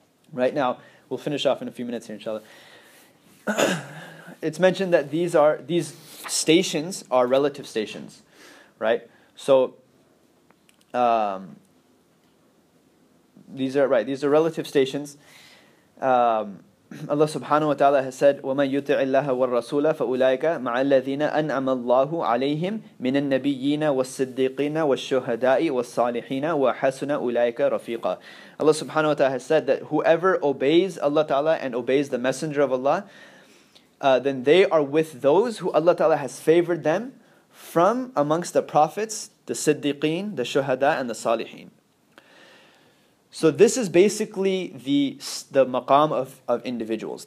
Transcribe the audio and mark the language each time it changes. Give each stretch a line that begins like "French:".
English: Right now, we'll finish off in a few minutes here, inshallah. It's mentioned that these stations are relative stations, right? So, these are relative stations. Allah subhanahu wa ta'ala has said,
Arabic: وَمَن يُطِعِ اللَّهَ وَالرَّسُولَ فَأُولَئِكَ مَعَ الَّذِينَ أَنْعَمَ اللَّهُ عَلَيْهِمْ مِنَ النَّبِيِّينَ وَالصِّدِّيقِينَ وَالشُّهَدَاءِ وَالصَّالِحِينَ وَحَسُنَ أُولَئِكَ رَفِيقًا.
English: Allah subhanahu wa ta'ala has said that whoever obeys Allah ta'ala and obeys the Messenger of Allah, then they are with those who Allah ta'ala has favored them from amongst the prophets, the siddiqeen, the shuhada, and the salihin. So this is basically the maqam of individuals.